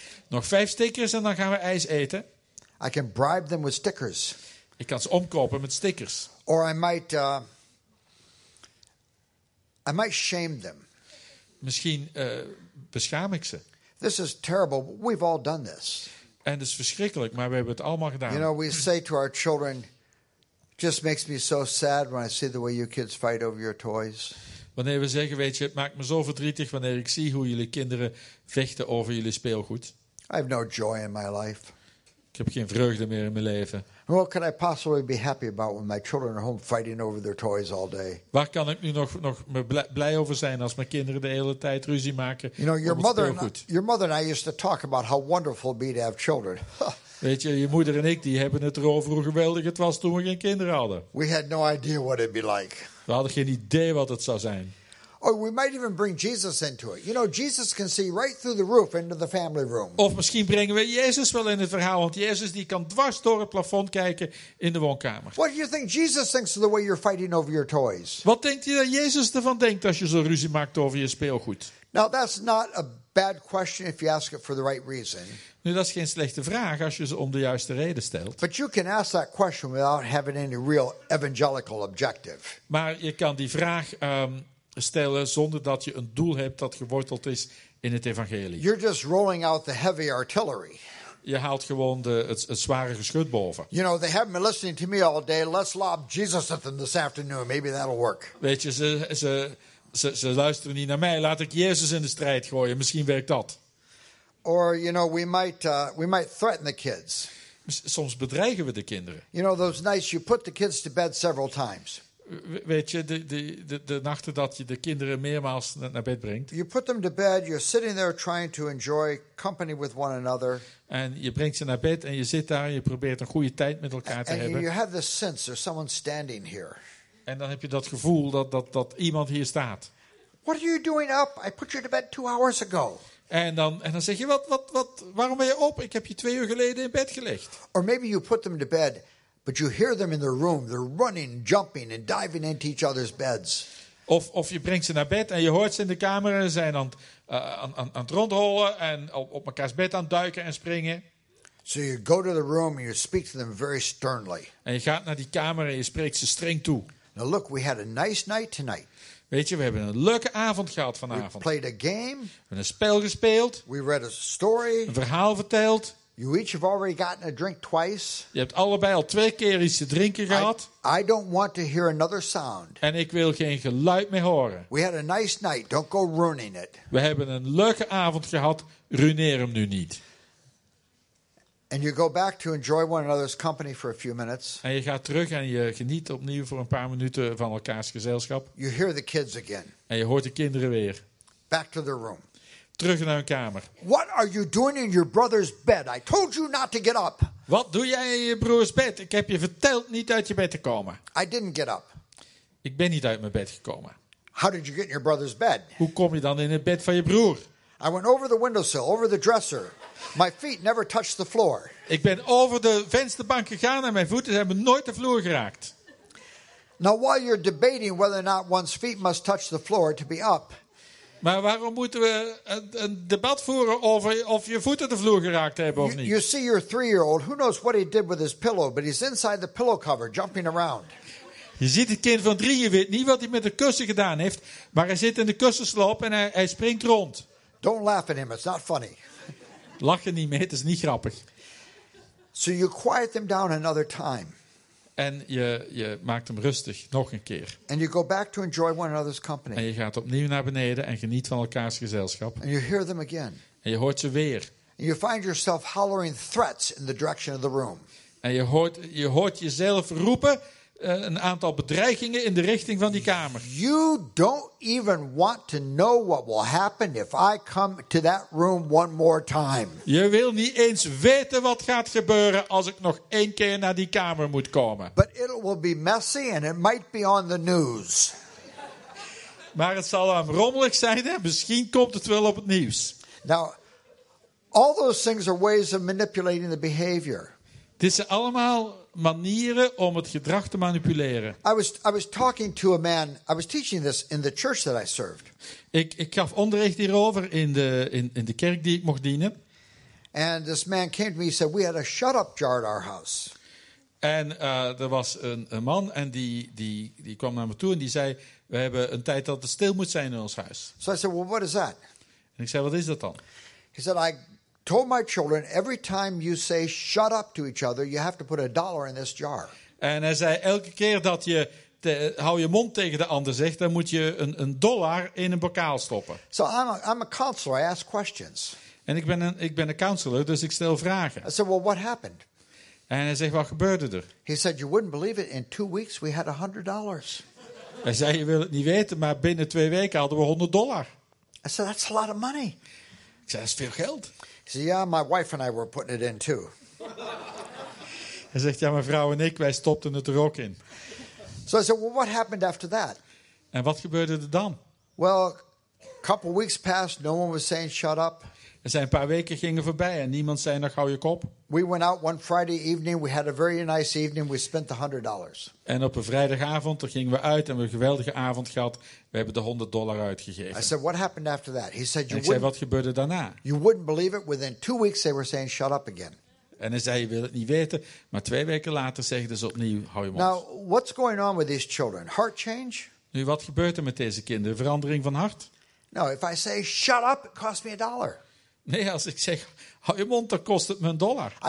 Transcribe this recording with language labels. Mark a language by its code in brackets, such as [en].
[nl] Nog 5 stickers en dan gaan we ijs eten. [en] I can bribe them with stickers. [nl] Ik kan ze omkopen met stickers. [en] Or I might shame them. [nl] Misschien beschaam ik ze. [en] This is terrible, but we've all done this. [nl] En het is verschrikkelijk, maar we hebben het allemaal gedaan. [en] You know, we say to our children. Just makes me so sad when I see the way you kids fight over your toys. [nl] Wanneer we zeggen, weet je, het maakt me zo verdrietig wanneer ik zie hoe jullie kinderen vechten over jullie speelgoed. [en] I have no joy in my life. [nl] Ik heb geen vreugde meer in mijn leven. [en] What can I possibly be happy about when my children are home fighting over their toys all day? [nl] Waar kan ik nu nog blij over zijn als mijn kinderen de hele tijd ruzie maken? [en] You know, your mother and I used to talk about how wonderful it'd be to have children. [nl] Weet je moeder en ik die hebben het erover hoe geweldig het was toen we geen kinderen hadden. [en] We had no idea what it'd be like. [nl] We hadden geen idee wat het zou zijn. [en] Or we might even bring Jesus into it. You know, Jesus can see right through the roof into the family room. [nl] Of misschien brengen we Jezus wel in het verhaal, want Jezus die kan dwars door het plafond kijken in de woonkamer. [en] What do you think Jesus thinks of the way you're fighting over your toys? [nl] Wat denkt je dat Jezus ervan denkt als je zo ruzie maakt over je speelgoed? [en] Now that's not a bad question if you ask it for the right reason. [nl] Nu, dat is geen slechte vraag als je ze om de juiste reden stelt. [en] But you can ask that question without having any real evangelical objective. [nl] Maar je kan die vraag stellen zonder dat je een doel hebt dat geworteld is in het evangelie. [en] You're just rolling out the heavy artillery. [nl] Je haalt gewoon het zware geschut boven. [en] You know, they haven't been listening to me all day. Let's lob Jesus at them this afternoon. Maybe that'll work. [nl] Weet je, ze luisteren niet naar mij. Laat ik Jezus in de strijd gooien. Misschien werkt dat. [en] Or you know we might threaten the kids. [nl] Soms bedreigen we de kinderen. [en] You know those nights you put the kids to bed several times. [nl] Weet je de nachten dat je de kinderen meermaals naar bed brengt. [en] You put them to bed, you're sitting there trying to enjoy company with one another. [nl] En je brengt ze naar bed en je zit daar en je probeert een goede tijd met elkaar te hebben. [en] And you have the sense there's someone standing here. [nl] En dan heb je dat gevoel dat iemand hier staat. [en] What are you doing up? I put you to bed 2 hours ago. [nl] En dan zeg je wat waarom ben je op? Ik heb je 2 uur geleden in bed gelegd. [en] Or maybe you put them to bed, but you hear them in their room. They're running, jumping and diving into each other's beds. [nl] Of je brengt ze naar bed en je hoort ze in de kamer en ze zijn aan het rondrollen en op elkaars bed aan het duiken en springen. [en] So you go to the room and you speak to them very sternly. [nl] En je gaat naar die kamer en je spreekt ze streng toe. [en] Now look, we had a nice night tonight. [nl] Weet je, we hebben een leuke avond gehad vanavond. [en] We played a game. [nl] We hebben een spel gespeeld. [en] We read a story. [nl] Een verhaal verteld. [en] You each have already gotten a drink twice. [nl] Je hebt allebei al 2 keer iets te drinken gehad. [en] I don't want to hear another sound. [nl] En ik wil geen geluid meer horen. [en] We had a nice night. Don't go ruining it. [nl] We hebben een leuke avond gehad. Ruineer hem nu niet. [en] And you go back to enjoy one another's company for a few minutes. [nl] En je gaat terug en je geniet opnieuw voor een paar minuten van elkaars gezelschap. [en] You hear the kids again. [nl] En je hoort de kinderen weer. [en] Back to their room. [nl] Terug naar hun kamer. [en] What are you doing in your brother's bed? I told you not to get up. [nl] Wat doe jij in je broers bed? Ik heb je verteld niet uit je bed te komen. [en] I didn't get up. [nl] Ik ben niet uit mijn bed gekomen. [en] How did you get in your brother's bed? [nl] Hoe kom je dan in het bed van je broer? [en] I went over the windowsill, over the dresser. My feet never touched the floor. [nl] Ik ben over de vensterbank gegaan en mijn voeten hebben nooit de vloer geraakt. [en] Now while you're debating whether or not one's feet must touch the floor to be up. [nl] Maar waarom moeten we een debat voeren over of je voeten de vloer geraakt hebben of niet? [en] You see your 3-year-old, who knows what he did with his pillow, but he's inside the pillow cover jumping around. [nl] Je ziet het kind van 3, je weet niet wat hij met de kussen gedaan heeft, maar hij zit in de kussensloop en hij springt rond. [en] Don't laugh at him, it's not funny. [nl] Lach er niet mee, het is niet grappig. [en] So you quiet them down another time. [nl] En je maakt hem rustig nog een keer. [en] And you go back to enjoy one another's company. [nl] En je gaat opnieuw naar beneden en geniet van elkaars gezelschap. [en] And you hear them again. [nl] En je hoort ze weer. [en] And you find yourself hollering threats in the direction of the room. [nl] En je hoort jezelf roepen een aantal bedreigingen in de richting van die kamer. [en] You don't even want to know what will happen if I come to that room one more time. [nl] Je wil niet eens weten wat gaat gebeuren als ik nog één keer naar die kamer moet komen. [en] But it will be messy and it might be on the news. [nl] Maar het zal wel rommelig zijn en misschien komt het wel op het nieuws. [en] Now, all those things are ways of manipulating the behavior. [nl] Dit zijn allemaal manieren om het gedrag te manipuleren. [en] I was talking to a man. I was teaching this in the church that I served. [nl] Ik gaf onderricht hierover in de kerk die ik mocht dienen. [en] And this man came to me and said we had a shut up jar at our house. [nl] En er was een man en die kwam naar me toe en die zei we hebben een tijd dat het stil moet zijn in ons huis. [en] So I said, well, what is that? [nl] En ik zei wat is dat dan? [en] He said I told my children every time you say shut up to each other you have to put a dollar in this jar. [nl] En hij zei elke keer dat je hou je mond tegen de ander zegt dan moet je een dollar in een bokaal stoppen. [en] So I'm a counselor, I ask questions. [nl] En ik ben een counselor, dus ik stel vragen. [en] I said, well, what happened? [nl] En hij zegt wat gebeurde er? [en] He said you wouldn't believe it, in 2 weeks we had $100. [nl] Hij zei je wil het niet weten, maar binnen 2 weken hadden we $100. [en] I said that's a lot of money. [nl] Ik zei dat is veel geld. [en] So, yeah, my wife and I were putting it in too. [nl] Hij zegt, ja, mijn vrouw en ik, wij stopten het er ook in. [en] So I said, well, what happened after that? [nl] En wat gebeurde er dan? [en] Well, a couple weeks passed, no one was saying shut up. [nl] Er zijn een paar weken gingen voorbij en niemand zei nog hou je kop. [en] We went out one Friday evening, we had a very nice evening, we spent the $100. [nl] En op een vrijdagavond, daar gingen we uit en we hebben een geweldige avond gehad. We hebben de $100 uitgegeven. [en] I said, what happened after that? He said, [nl] ik zei, wat gebeurde daarna? [en] You wouldn't believe it, within 2 weeks they were saying shut up again. [nl] En hij zei, je wil het niet weten, maar 2 weken later zeiden ze opnieuw, hou je mond. [en] Now, what's going on with these children? Heart change? [nl] Nu, wat gebeurt er met deze kinderen? Verandering van hart? [en] No, if I say shut up, it cost me a dollar. [nl] Nee, als ik zeg, hou je mond, dan kost het me $1.